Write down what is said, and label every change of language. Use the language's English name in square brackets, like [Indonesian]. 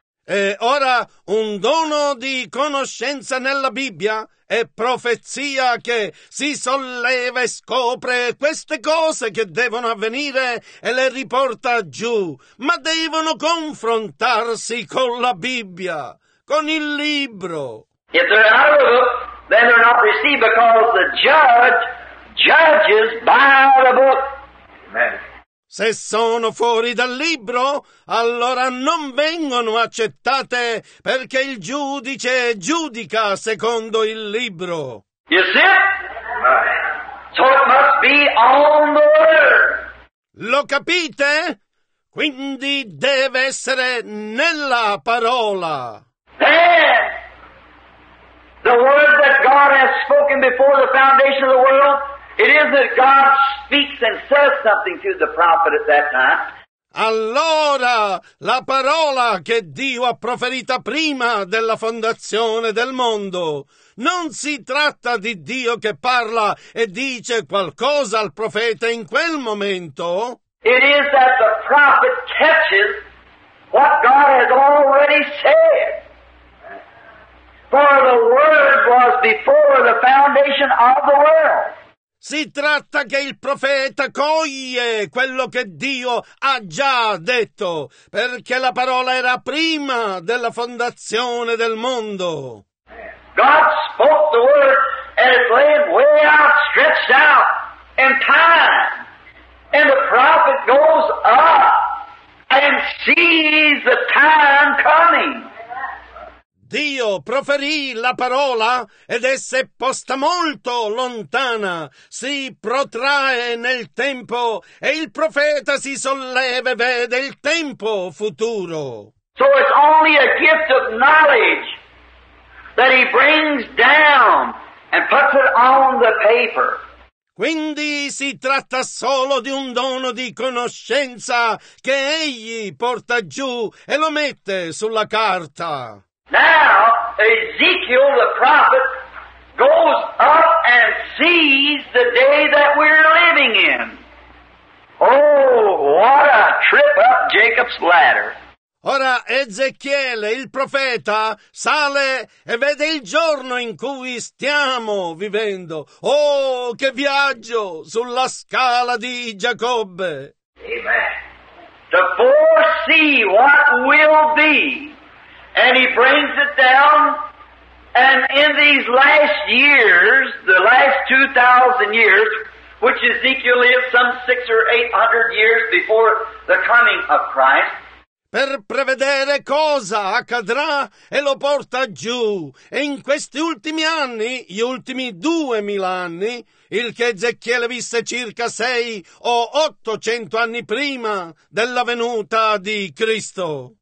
[Italian] E ora un dono di conoscenza nella Bibbia è profezia che si solleva e scopre queste cose che devono avvenire e le riporta giù, ma devono confrontarsi con la Bibbia, con il libro. [English] If they're out of the book, then they're not received because the judge judges by the book. Amen. [Italian] Se sono fuori dal libro, allora non vengono accettate perché il giudice giudica secondo il libro. [English] You see? So it must be on the word. [Italian] Lo capite? Quindi deve essere nella parola. [English] Then, the word that God has spoken before the foundation of the world. It is that God speaks and says something to the prophet at that time. [Italian] Allora, la parola che Dio ha proferita prima della fondazione del mondo. Non si tratta di Dio che parla e dice qualcosa al profeta in quel momento. [English] It is that the prophet catches what God has already said. For the word was before the foundation of the world. [Italian] Si tratta che il profeta coglie quello che Dio ha già detto, perché la parola era prima della fondazione del mondo. [English] God spoke the word and it lay way out, stretched out in time. And the prophet goes up and sees the time coming. [Italian] Dio proferì la parola ed esse posta molto lontana, si protrae nel tempo e il profeta si solleva e vede il tempo futuro. [English] So it's only a gift of knowledge that he brings down and puts it on the paper. [Italian] Quindi si tratta solo di un dono di conoscenza che egli porta giù e lo mette sulla carta. [English] Now, Ezekiel the prophet goes up and sees the day that we're living in. Oh, what a trip up Jacob's ladder. [Italian] Ora Ezechiele, il profeta, sale e vede il giorno in cui stiamo vivendo. Oh, che viaggio sulla scala di Giacobbe. [English] Amen. To foresee what will be. And he brings it down, and in these last years, the last 2,000 years, which Ezekiel lived some 600 or 800 years before the coming of Christ. [Italian] Per prevedere cosa accadrà, e lo porta giù. E in questi ultimi anni, gli ultimi 2,000 anni, il che Ezechiele visse circa 600 or 800 anni prima della venuta di Cristo.